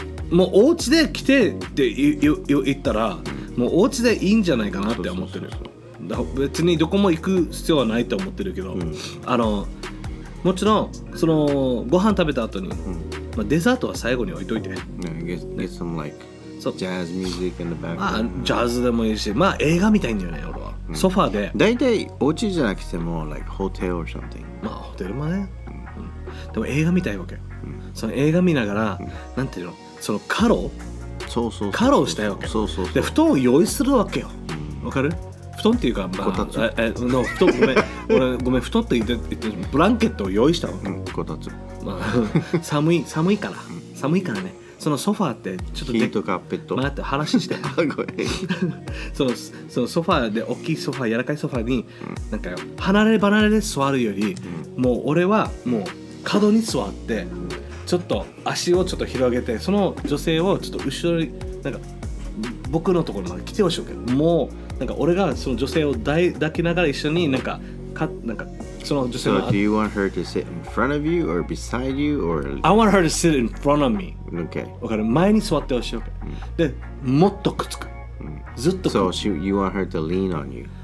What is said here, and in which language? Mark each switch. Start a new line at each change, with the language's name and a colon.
Japanese: もうお家で来てって言ったら、うん、もうお家でいいんじゃないかなって思ってる、そうそうそうそう、別にどこも行く必要はないと思ってるけど、うん、あのもちろんそのご飯食べた後に、うん、まあ、デザートは最後に置いといて、
English: yeah, get some like jazz music in the background、
Japanese: まあ、ジャズでもいいし、まあ映画みたいんだよね俺は、うん、ソファーで、だいたいお家じゃなくても
English: like hotel or something、
Japanese: まあホテルもね、うん、でも映画みたいわけ、うん、その映画見ながら、うん、なんていうの、そのカロー、そうそうそう、カローしたいわけ、そうそうそう、で布団を用意するわけよ、わ、うん、かる、布団っていうか、まあ、こたつ、の布団、ごめん俺ごめん、布団って言ってブランケットを用意したわけ、うん、こたつ、まあ、寒いから、うん、寒いからね、そのソファーってちょっとヒートカーペット、まあ、って話してごめんそのソファーで、大きいソファー、柔らかいソファーに、うん、なんか離れ離れで座るより、うん、もう俺はもう角に座って、うん、ちょっと足をちょっと広げて、その女性をちょっと後ろになんか僕のところまで来てほしいわけ、もうなんか俺がその女性を抱きながら一緒になんかその女性の後。
English: So do you want her to sit in front of you or beside you or? I want her to sit in front of me. Okay.
Japanese: わかる。前に座ってほしい。Okay. で、もっとくっつく。ずっとくっつく。
English: So she, you want her to lean on you.